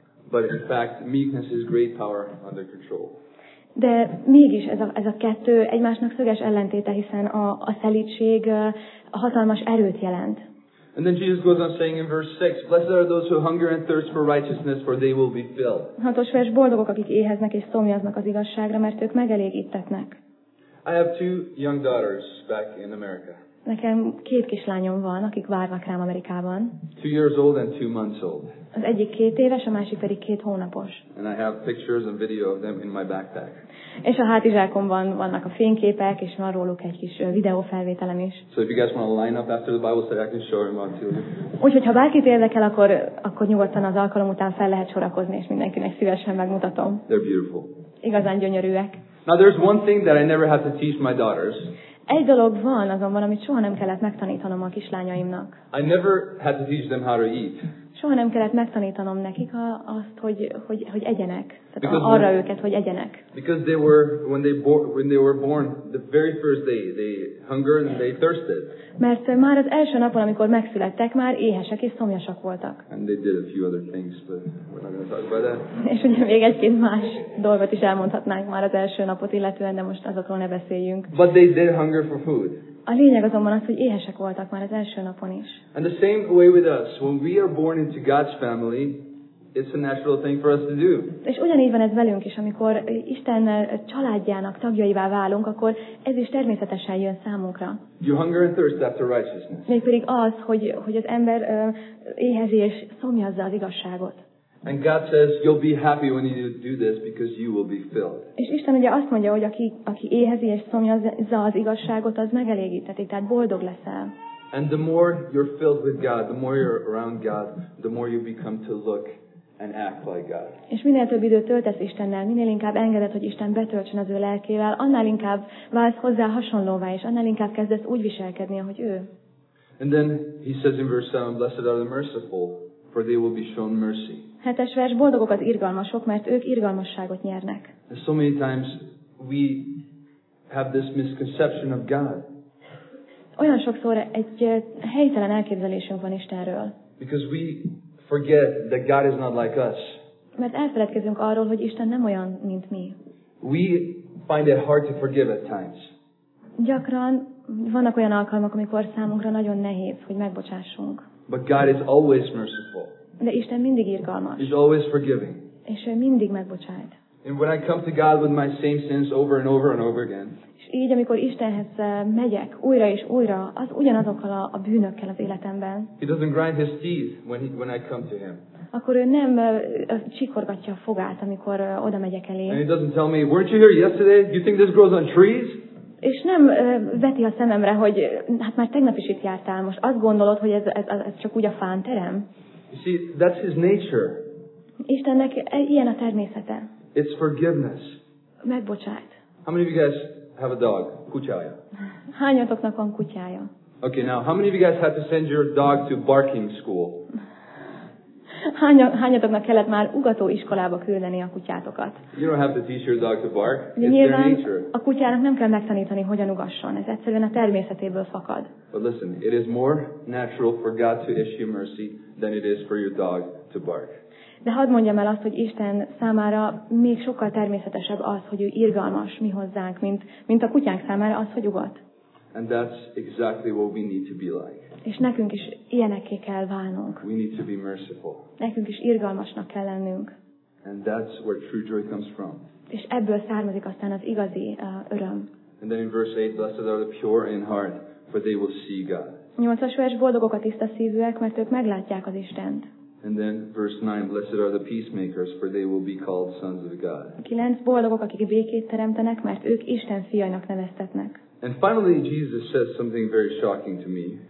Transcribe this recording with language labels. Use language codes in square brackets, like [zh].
[en] But in fact, meekness is great power under control. [hu] De mégis ez a kettő egymásnak szöges ellentéte, hiszen a szelídség hatalmas erőt jelent. [en] And then Jesus goes on saying in verse 6, blessed are those who hunger and thirst for righteousness, for they will be filled. [hu] 6. vers, boldogok, akik éheznek és szomjaznak az igazságra, mert ők megelégítetnek. [en] I have two young daughters back in America. [hu] Nekem két kislányom van, akik várnak rám Amerikában. [en] 2 years old and 2 months old. [hu] Az egyik 2 éves, a másik pedig 2 hónapos. [en] And I have pictures and video of them in my backpack. [hu] És a hátizsákomban vannak a fényképek, és van róluk egy kis videófelvételem is. [en] So if you guys want to line up after the Bible study, I can show them out to you. [hu] Úgyhogy ha bárkit érdekel, akkor nyugodtan az alkalom után fel lehet sorakozni, és mindenkinek szívesen megmutatom. [en] They're beautiful. [hu] Igazán gyönyörűek. [en] Now there's one thing that I never have to teach my daughters. [hu] Egy dolog van, azonban, amit soha nem kellett megtanítanom a kislányaimnak. [en] I never had to teach them how to eat. [hu] Soha nem kellett megtanítanom nekik azt, hogy egyenek. Tehát arra őket, hogy egyenek. [en] Because they were when they were born, the very first day they hungered and they thirsted. [hu] Mert már az első napon, amikor megszülettek, már éhesek és szomjasak voltak. [en] And they did a few other things, but we're not going to talk about that. [hu] És ugye még egy-két más dolgot is elmondhatnánk már az első napot illetően, de most azokról ne beszéljünk. [en] But they did hunger for food. [hu] A lényeg azonban az, hogy éhesek voltak már az első napon is. [en] And the same way with us, when we are born into God's family, it's a natural thing for us to do. [hu] És ugyanígy van ez velünk is, amikor Isten családjának tagjaivá válunk, akkor ez is természetesen jön számunkra. [en] You hunger and thirst after righteousness. [hu] Mégpedig az, hogy az ember éhezi és szomjazza az igazságot. [en] And God says you'll be happy when you do this because you will be filled. [hu] És Isten ugye azt mondja, hogy aki éhezi és szomjazza az igazságot, az megelégítetik, tehát boldog leszel. [en] And the more you're filled with God, the more you're around God, the more you become to look and act like God. [hu] És minél több időt töltesz Istennel, minél inkább engeded, hogy Isten betöltsön az ő lelkével, annál inkább válsz hozzá hasonlóvá, és annál inkább kezdesz úgy viselkedni, ahogy ő. [en] And then he says in verse 7, blessed are the merciful, for they will be shown mercy. [hu] Hetes vers, boldogok az irgalmasok, mert ők irgalmasságot nyernek. [en] So many times we have this misconception of God. [hu] Olyan sokszor egy helytelen elképzelésünk van Istenről. [en] Because we forget that God is not like us. [hu] Mert elfeledkezünk arról, hogy Isten nem olyan, mint mi. [en] We find it hard to forgive at times. [hu] Gyakran vannak olyan alkalmak, amikor számunkra nagyon nehéz, hogy megbocsássunk. [en] But God is always merciful. [hu] De Isten mindig irgalmas. [en] He's always forgiving. [hu] És ő mindig megbocsát. [en] And when I come to God with my same sins over and over and over again. [hu] És így, amikor Istenhez megyek újra és újra, az ugyanazokkal a bűnökkel az életemben. [en] He doesn't grind his teeth when I come to him. [hu] Akkor ő nem csikorgatja a fogát, amikor oda megyek elé. [en] And he doesn't tell me, weren't you here yesterday? You think this grows on trees? [hu] És nem veti a szememre, hogy hát már tegnap is itt jártál, most azt gondolod, hogy ez csak úgy a fán terem? [en] You see, that's his nature. [hu] Istennek ilyen a természete. [en] It's forgiveness. [hu] Megbocsát. [en] How many of you guys have a dog? [hu] Kutyája. Hányatoknak van kutyája? [en] Okay, now, how many of you guys had to send your dog to barking school? [hu] Hányatoknak kellett már ugató iskolába küldeni a kutyátokat? [en] You don't have to teach your dog to bark. It's [hu] nyilván [en] their nature. [hu] A kutyának nem kell megtanítani, hogyan ugasson. Ez egyszerűen a természetéből fakad. [en] But listen, it is more natural for God to issue mercy than it is for your dog to bark. [hu] De hadd mondjam el azt, hogy Isten számára még sokkal természetesebb az, hogy ő irgalmas mi hozzánk, mint a kutyánk számára az, hogy ugat. [en] And that's exactly what we need to be like. [hu] És nekünk is ilyenekké kell válnunk. [en] We need to be merciful. [hu] Nekünk is irgalmasnak kell lennünk. [en] And that's where true joy comes from. [hu] És ebből származik aztán az igazi öröm. [en] And then in verse 8, blessed are the pure in heart, for they will see God. [hu] 8-as vers, boldogok a tiszta szívűek, mert ők meglátják az Istent. [en] And then verse 9, blessed are the peacemakers, for they will be called sons of God. [hu] 9, boldogok, akik békét teremtenek, mert ők Isten fiainak neveztetnek. [en] And finally Jesus says something very shocking to me.